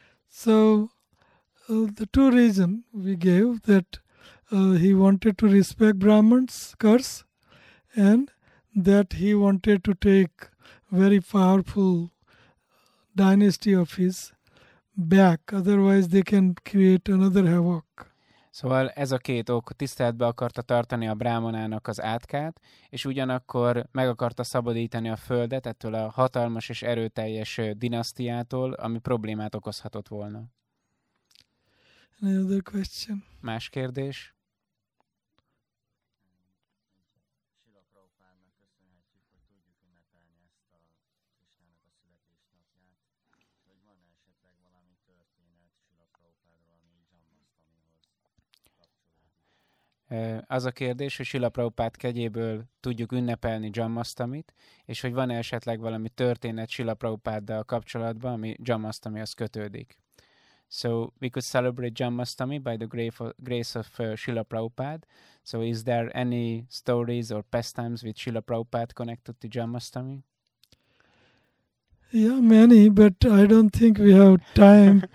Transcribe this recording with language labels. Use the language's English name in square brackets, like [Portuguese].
[English] So, the two reasons we gave, that he wanted to respect Brahman's curse, and that he wanted to take very powerful dynasty of his back, otherwise they can create another havoc. [Hungarian] Szóval ez a két ok, tiszteletbe akarta tartani a brámanának az átkát, és ugyanakkor meg akarta szabadítani a földet ettől a hatalmas és erőteljes dinasztiától, ami problémát okozhatott volna. [English] Another question. [Hungarian] Más kérdés? Az a kérdés, hogy Srila Prabhupád kegyéből tudjuk ünnepelni Jammasztamit, és hogy van esetleg valami történet Srila Prabhupáddal kapcsolatban, ami Jammasztamihoz kötődik. [English] So, we could celebrate Jammasztami by the grace of Srila Prabhupád. So, is there any stories or pastimes with Srila Prabhupád connected to Jammasztami? Yeah, many, but I don't think we have time.